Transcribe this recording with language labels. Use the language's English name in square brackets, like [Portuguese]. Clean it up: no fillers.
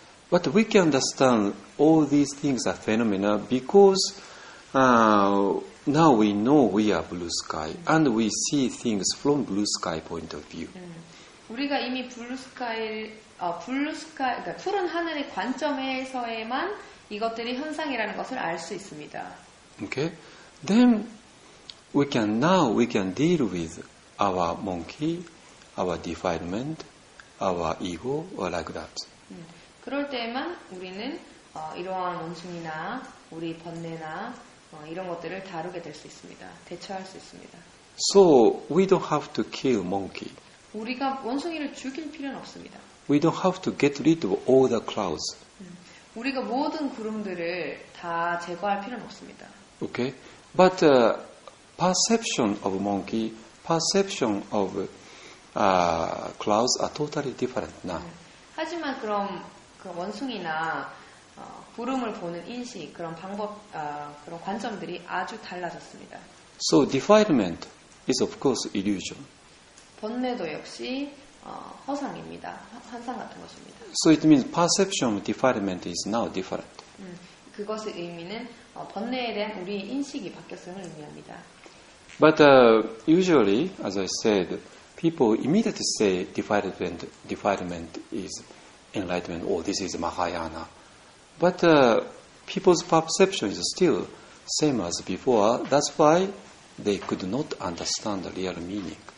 [English] But we can understand all these things are phenomena because now we know we are blue sky and we see things from blue sky point of view. [Korean] 우리가 이미 [English] 블루 스카이 [Korean] 그러니까 푸른 하늘의 관점에서에만 이것들이 현상이라는 것을 알 수 있습니다. [English] Okay. Then we can deal with our monkey, our defilement, our ego or like that. [Korean] 그럴 때에만 우리는 이러한 원숭이나 우리 번뇌나 이런 것들을 다루게 될 수 있습니다. 대처할 수 있습니다. [English] So we don't have to kill monkey. [Korean] 우리가 원숭이를 죽일 필요는 없습니다. [English] We don't have to get rid of all the clouds. [Korean] 우리가 모든 구름들을 다 제거할 필요는 없습니다. [English] Okay, but perception of monkey, perception of clouds are totally different now. [Korean] 하지만 그럼 그 원숭이나 구름을 보는 인식 그런 방법 그런 관점들이 아주 달라졌습니다. [English] So defilement is of course illusion. [Korean] 번뇌도 역시 허상입니다. 환상 같은 것입니다. [English] So it means perception of defilement is now different. [Korean] 그것의 의미는 번뇌에 대한 우리의 인식이 바뀌었음을 의미합니다. [English] But usually, as I said, people immediately say defilement is enlightenment, or this is Mahayana. But people's perception is still same as before. That's why they could not understand the real meaning.